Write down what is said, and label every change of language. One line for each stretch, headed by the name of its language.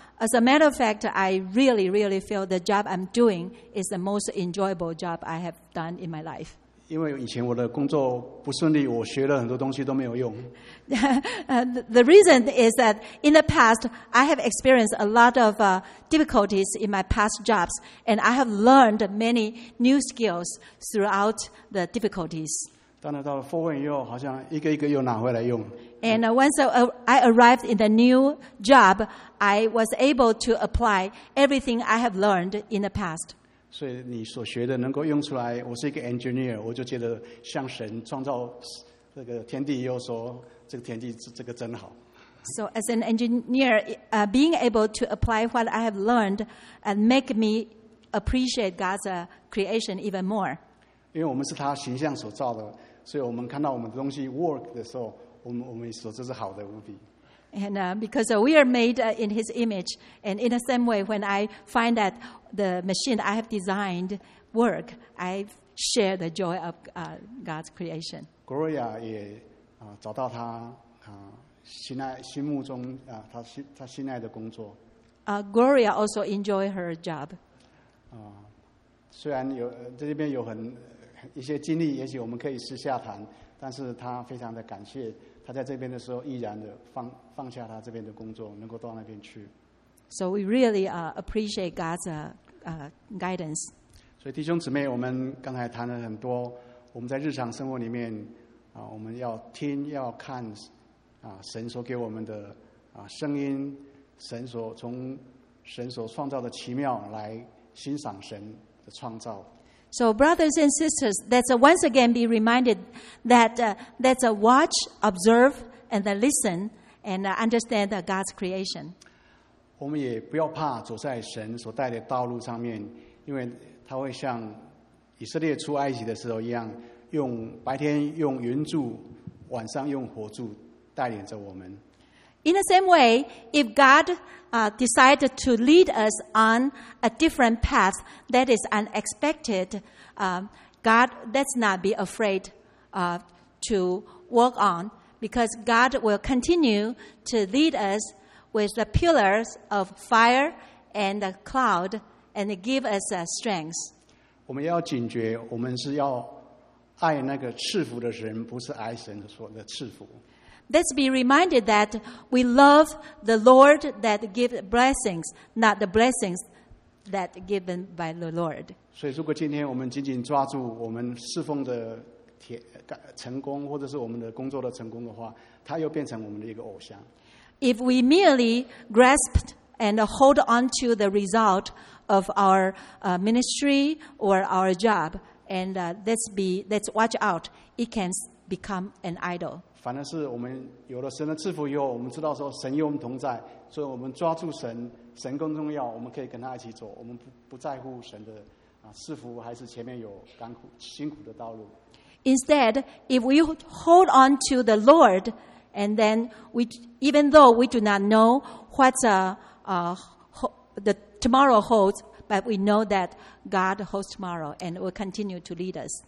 English: As a matter of fact, I really, really feel the job I'm doing is the most enjoyable job I have done in my life.
Chinese: 因为以前我的工作不顺利，我学了很多东西都没有用。
English: The reason is that in the past, I have experienced a lot of difficulties in my past jobs, and I have learned many new skills throughout the difficulties.
Chinese: 当然到了 Four One 以后，好像一个一个又拿回来用。
English: And once I arrived in the new job, I was able to apply everything I have learned in the past.
Chinese: 所以你所学的能够用出来，我是一个 engineer， 我就觉得像神创造这个天地，又说这个天地这个真好。
English: So as an engineer, being able to apply what I have learned and make me appreciate God's creation even more.
Chinese: 因为我们是他形象所造的，所以我们看到我们的东西 work 的时候，我们所知是好的无比。
English: And because we are made in His image, and in the same way, when I find that the machine I have designed work, I share the joy of God's creation.
Chinese: Gloria 也找到他心目中他心爱的工作。
English: Gloria also enjoy her job.
Chinese: 虽然有这边有很一些经历，也许我们可以私下谈，但是他非常的感谢，他在这边的时候毅然的放下他这边的工作，能够到那边去。
English: So we really appreciate God's guidance.
Chinese: 所以弟兄姊妹，我们刚才谈了很多，我们在日常生活里面我们要听要看神所给我们的声音，神所从神所创造的奇妙来欣赏神的创造。
English: So brothers and sisters, let's once again be reminded that let's watch, observe, and listen, and understand God's creation.
Chinese: 我们也不要怕走在神所带的道路上面，因为他会像以色列出埃及的时候一样，用白天用云柱，晚上用火柱带领着我们。
English: In the same way, if God decided to lead us on a different path that is unexpected, God, let's not be afraid to walk on, because God will continue to lead us with the pillars of fire and the cloud and give us strength.
Chinese: 我们要警觉，我们是要爱那个赐福的神，不是爱神所的赐福。
English: Let's be reminded that we love the Lord that gives blessings, not the blessings that are given by the Lord.
Chinese: 所以如果今天我们紧紧抓住我们侍奉的成功，或者是我们的工作的成功的话，它又变成我们的一个偶像。
English: If we merely grasp and hold on to the result of our ministry or our job, and let's watch out, it can become an idol.
Chinese: 反而是我们有了神的赐福以后，我们知道说神与我们同在，所以我们抓住神，神更重要，我们可以跟他一起走，我们不在乎神的赐福还是前面有甘苦辛苦的道路。
English: Instead, if we hold on to the Lord, and then we even though we do not know what the tomorrow holds, but we know that God holds tomorrow and will continue to lead us.